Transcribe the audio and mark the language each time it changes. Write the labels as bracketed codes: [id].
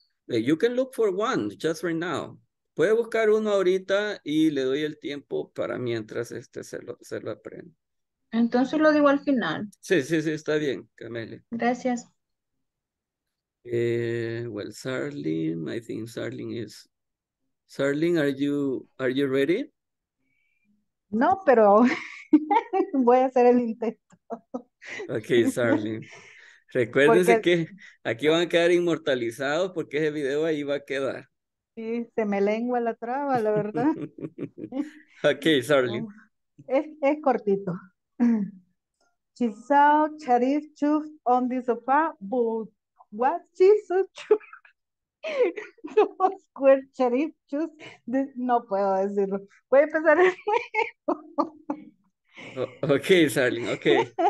[en] You can look for one just right now. [es] Puede buscar uno ahorita y le doy el tiempo para mientras se lo aprende. Entonces lo digo al final. Sí, está bien, Camelia. Gracias. [en] Well, Sarlin, I think Sarlin is... Sarlin, are you ready? [es] No, pero voy a hacer el intento. [en] Ok, Sarlin. [es] Recuérdense que aquí van a quedar inmortalizados porque ese video ahí va a quedar. Sí, se me lengua la traba, la verdad. [en] Ok, Sarlin. [es] Es cortito. [en] She saw Charif Chuf on the sofa, but what she saw Chuf was where Charif Chuf, [es] no puedo decirlo. Voy a empezar el juego. [en] Okay, Sarlin, okay.